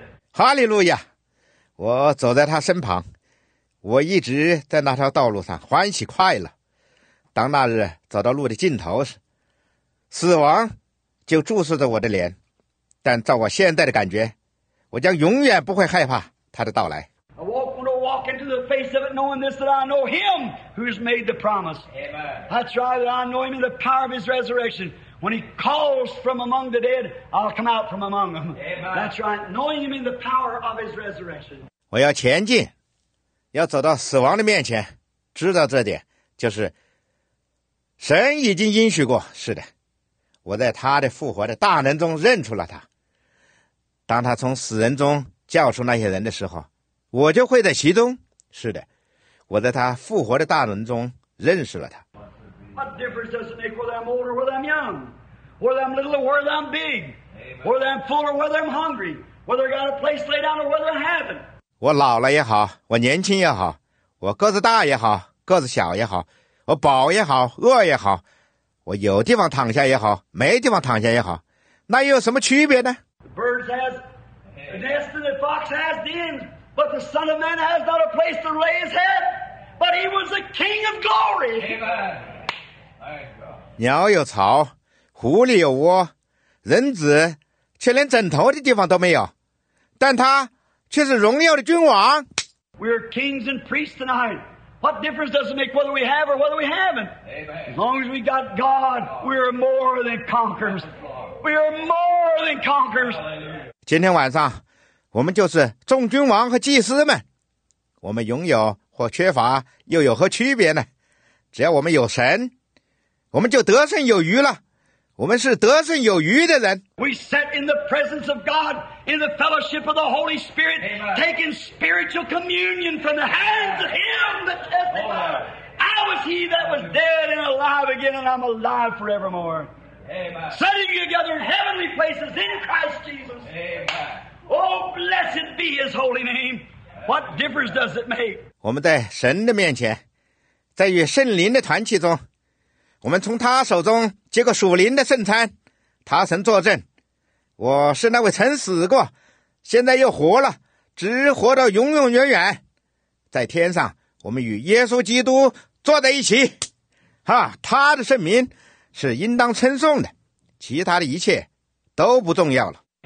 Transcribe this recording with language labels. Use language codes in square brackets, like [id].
[zh] 哈利路亚，我走在他身旁，我一直在那条道路上欢喜快乐，当那日走到路的尽头时，死亡就注视着我的脸，但照我现在的感觉，我将永远不会害怕他的到来。 [en] Into the face of it, knowing this, that I know him who's made the promise. Amen. That's right, that I know him in the power of his resurrection. When he calls from among the dead, I'll come out from among them. Amen. That's right, knowing him in the power of his resurrection. [zh] 我要前进，要走到死亡的面前，知道这点，就是神已经应许过，是的，我在他的复活的大能中认出了他。当他从死人中叫出那些人的时候，我就会在其中，是的，我在他复活的大能中认识了他。 [en] What difference does it make whether I'm old or whether I'm young, whether I'm little or whether I'm big, whether I'm full or whether I'm hungry, whether I got a place laid down or whether I haven't? [zh] 我老了也好，我年轻也好，我个子大也好，个子小也好，我饱也好，饿也好，我有地方躺下也好，没地方躺下也好，那又有什么区别呢 [en] ？The birds has a nest and the fox has dens. But the Son of Man has not a place to lay his head, but he was the King of glory. Amen. [zh] 鸟有巢，狐狸有窝，人子却连枕头的地方都没有，但他却是荣耀的君王。 [en] We are kings and priests tonight. What difference does it make whether we have or whether we haven't? Amen. As long as we got God, we are more than conquerors. We are more than conquerors. [zh] 今天晚上我们就是众君王和祭司们，我们拥有或缺乏又有何区别呢？只要我们有神，我们就得胜有余了。我们是得胜有余的人。 [en] We sit in the presence of God, in the fellowship of the Holy Spirit, taking spiritual communion from the hands of Him that testified, I was He that was dead and alive again, and I'm alive forevermore. Amen. Setting together in heavenly places in Christ Jesus. Amen. Oh, blessed be His holy name. What difference does it make? [zh] 我们在神的面前，在与圣灵的团契中，我们从他手中接过属灵的圣餐。他曾作证，我是那位曾死过，现在又活了，直活到永永远远。在天上，我们与耶稣基督坐在一起，哈，他的圣名是应当称颂的，其他的一切都不重要了。